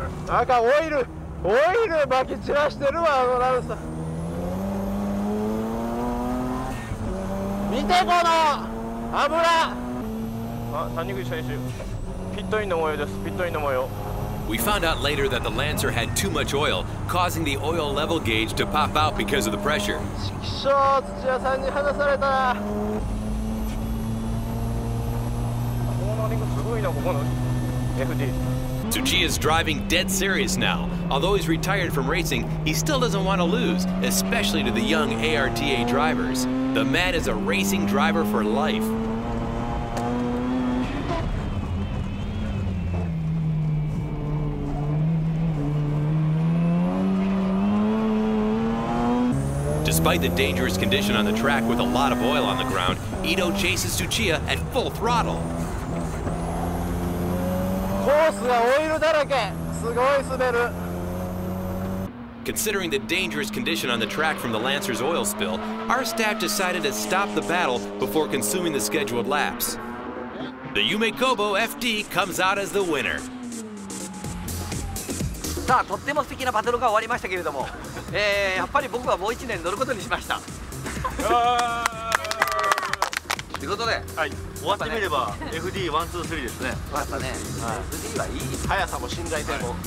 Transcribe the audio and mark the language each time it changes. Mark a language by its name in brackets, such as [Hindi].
[Japanese] なんかオイル、オイル撒き散らしてるわ、あのランサー。見てこの油。あ、谷口選手、ピットインの模様です。ピットインの模様。 [English] We found out later that the Lancer had too much oil, causing the oil level gauge to pop out because of the pressure. [Japanese] ちくしょう、土屋さんに話された。このリングすごいな、ここの FD。 [English] Tsuchiya's driving dead serious now. Although he's retired from racing, he still doesn't want to lose, especially to the young ARTA drivers. The man is a racing driver for life. Despite the dangerous condition on the track with a lot of oil on the ground, Ito chases Tsuchiya at full throttle. [Japanese] コースがオイルだらけ、すごい滑る。 [English] Considering the dangerous condition on the track from the Lancer's oil spill, our staff decided to stop the battle before consuming the scheduled laps. The Yume Kobo FD comes out as the winner. [Japanese] さあ、とっても素敵なバトルが終わりましたけれども、やっぱり僕はもう一年乗ることにしました。ということで、はい、終わってみれば FD 1、2、3ですね。終わったね。FD はいい。速さも信頼性も。